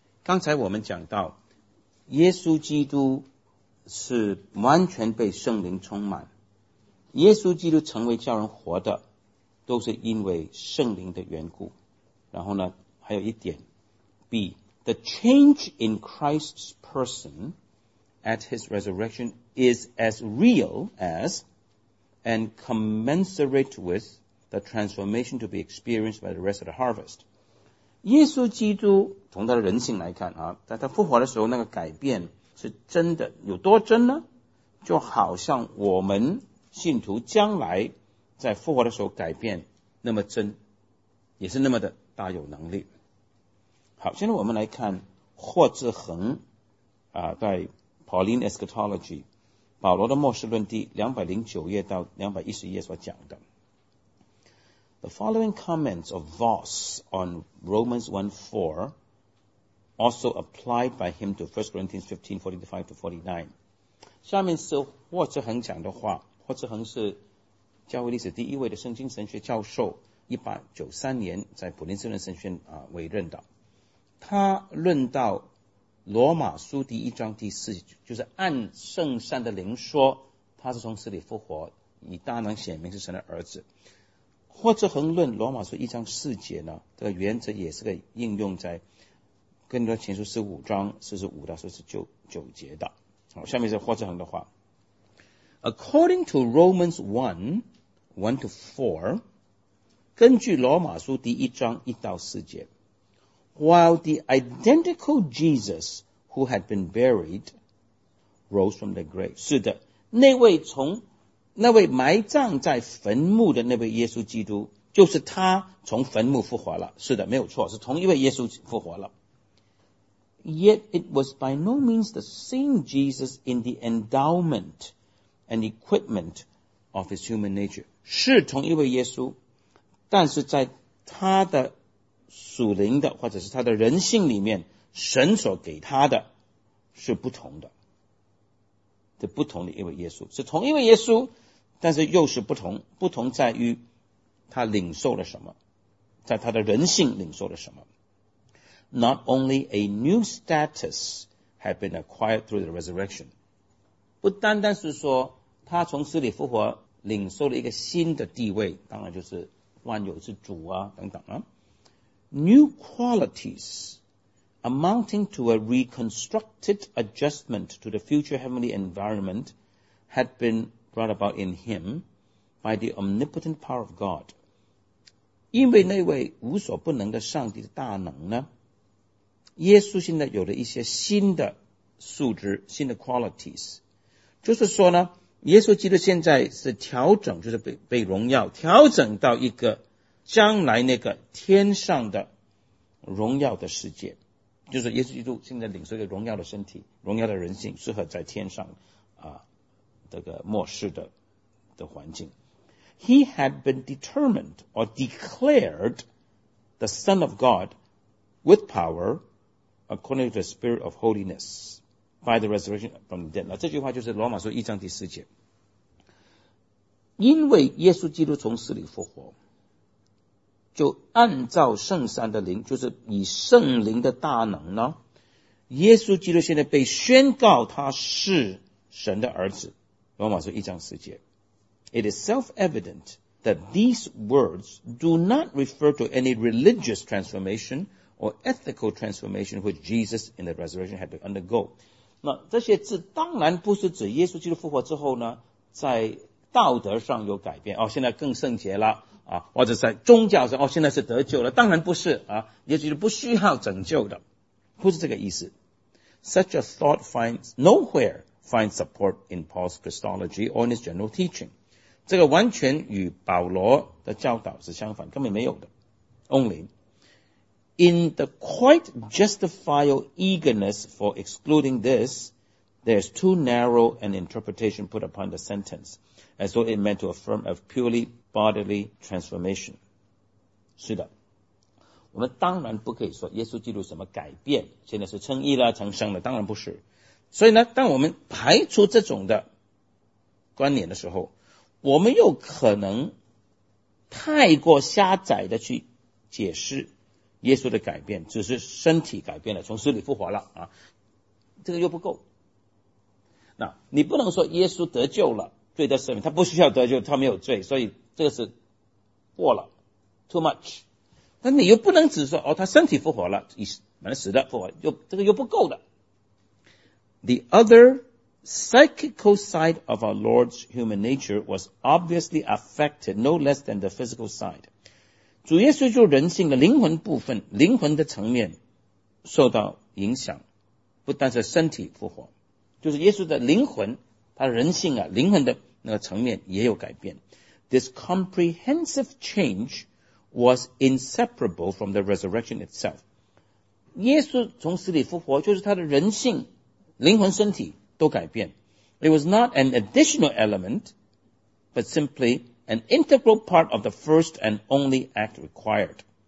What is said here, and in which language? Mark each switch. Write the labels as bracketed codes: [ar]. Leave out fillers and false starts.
[zh] 刚才我们讲到耶稣基督是完全被圣灵充满，耶稣基督成为叫人活的都是因为圣灵的缘故。然后呢，还有一点 [en] B, the change in Christ's person at his resurrection is as real as and commensurate with the transformation to be experienced by the rest of the harvest. [zh] 耶稣基督从他的人性来看啊，在他复活的时候那个改变是真的，有多真呢？就好像我们信徒将来在复活的时候改变那么真，也是那么的大有能力。好，现在我们来看霍志恒啊，在 Pauline Eschatology 保罗的末世论第209页到211页所讲的。 [en] The following comments of Voss on Romans 1:4, also applied by him to 1 Corinthians 15:45-49. [zh] 下面是霍志恒讲的话。霍志恒是教会历史第一位的圣经神学教授，1893年在普林斯顿神学院委任的。他论到罗马书第一章第四节，就是按圣善的灵说，他是从死里复活，以大能显明是神的儿子。霍志恒论罗马书一章四节呢，这个原则也是个应用在更多前书十五章45-49节的。好，下面是霍志恒的话。 [en] According to Romans 1:1-4, [zh] 根据罗马书第一章一到四节， [en] while the identical Jesus who had been buried rose from the grave. [zh] 是的，那位从那位埋葬在坟墓的那位耶稣基督，就是他从坟墓复活了。是的，没有错，是同一位耶稣复活了。 [en] Yet it was by no means the same Jesus in the endowment and equipment of his human nature. [zh] 是同一位耶稣，但是在他的属灵的或者是他的人性里面，神所给他的是不同的。是不同的一位耶稣，是同一位耶稣，但是又是不同，不同在于他领受了什么，在他的人性领受了什么。 [en] Not only a new status had been acquired through the resurrection, [zh] 不单单是说他从死里复活领受了一个新的地位，当然就是万有之主啊等等啊。 [en] New qualities,amounting to a reconstructed adjustment to the future heavenly environment had been brought about in him by the omnipotent power of God. [zh] 因为那位无所不能的上帝的大能呢，耶稣现在有了一些新的素质，新的 qualities。就是说呢，耶稣基督现在是调整，就是 被荣耀，调整到一个将来那个天上的荣耀的世界。就是耶稣基督现在领受一个荣耀的身体，荣耀的人性，适合在天上啊这个末世的环境。 [en] He had been determined or declared the Son of God with power according to the Spirit of Holiness by the resurrection from the dead. [zh] 这句话就是罗马书一章第四节。因为耶稣基督从死里复活，就按照圣善的灵，就是以圣灵的大能呢，耶稣基督现在被宣告他是神的儿子。罗马书一章四节。 [en] It is self-evident that these words do not refer to any religious transformation or ethical transformation which Jesus in the resurrection had to undergo. [zh] 那这些字当然不是指耶稣基督复活之后呢，在道德上有改变，哦，现在更圣洁了。啊，或者在宗教上，哦，现在是得救了，当然不是啊，也就是不需要拯救的，不是这个意思。 [en] Such a thought finds nowhere finds support in Paul's Christology or in his general teaching. [zh] 这个完全与保罗的教导是相反，根本没有的。 [en] Only in the quite justifiable eagerness for excluding this, there's too narrow an interpretation put upon the sentence, as though it meant to affirm a purely bodily transformation. [zh] 是的，我们当然不可以说耶稣基督什么改变，现在是称义了，成圣了，当然不是。所以呢，当我们排除这种的观念的时候，我们又可能太过狭窄的去解释耶稣的改变，只是身体改变了，从死里复活了啊，这个又不够。那你不能说耶稣得救了，罪得赦免，他不需要得救，他没有罪，所以这个是过了 ， [en] too much。 [zh] 但你又不能只说哦，他身体复活了，已满死的复活，又这个又不够的。 [en] The other psychical side of our Lord's human nature was obviously affected no less than the physical side。 [zh] 主耶稣就人性的灵魂部分、灵魂的层面受到影响，不但是身体复活。就是耶稣的灵魂，他人性啊，灵魂的那个层面也有改变。 [en] This comprehensive change was inseparable from the resurrection itself. [zh] 耶稣从死里复活，就是他的人性、灵魂、身体都改变。 [en] It was not an additional element, but simply an integral part of the first and only act required.